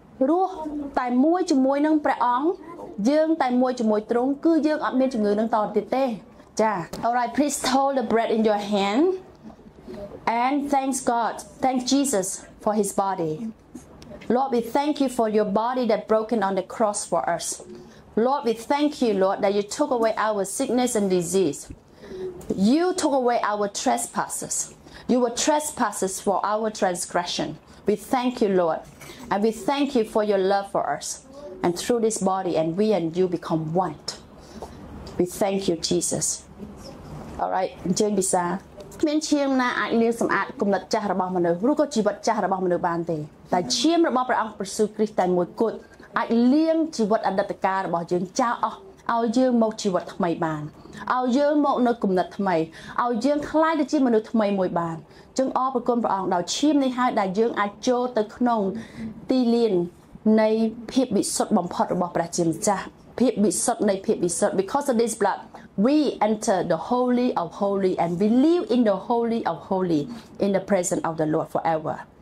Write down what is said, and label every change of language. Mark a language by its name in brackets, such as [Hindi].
[Khmer] រស់តែមួយជាមួយនឹងព្រះអង្គយើងតែមួយជាមួយទ្រង់គឺយើងអត់មានជំងឺនឹងតទៀតទេចា [English] Alright please hold the bread in your hand and thanks God thank Jesus for his body Lord we thank you for your body that broken on the cross for us Lord we thank you Lord that you took away our sickness and disease you took away our trespasses You were trespasses for our transgression. We thank you, Lord, and we thank you for your love for us. And through this body, and we and you become one. We thank you, Jesus. All right, Jane Bisa. [Khmer] មានឈាមណាអាចលាងសម្អាតគុណិតចាស់របស់មនុស្សឬក៏ជីវិតចាស់របស់មនុស្សបានទេតែឈាមរបស់ព្រះអង្គព្រះយេស៊ូវគ្រីស្ទតែមួយគត់អាចលាងជីវិតអតីតកាលរបស់យើងចោលអស់ឲ្យយើងមកជីវិតថ្មីបាន ឲ្យយើងមកនៅគុណិតថ្មីឲ្យយើងក្លាយទៅជាមនុស្សថ្មីមួយបានចឹងអរព្រគុណព្រះអង្គដល់ឈាមនេះហើយដែលយើងអាចចូលទៅក្នុងទីលាននៃភាពវិសុទ្ធបំផុតរបស់ព្រះជាម្ចាស់ភាពវិសុទ្ធនៃភាពវិសុទ្ធ [English] because of this bloodWe enter the Holy of Holy and we live in the Holy of Holy in the presence of the Lord forever.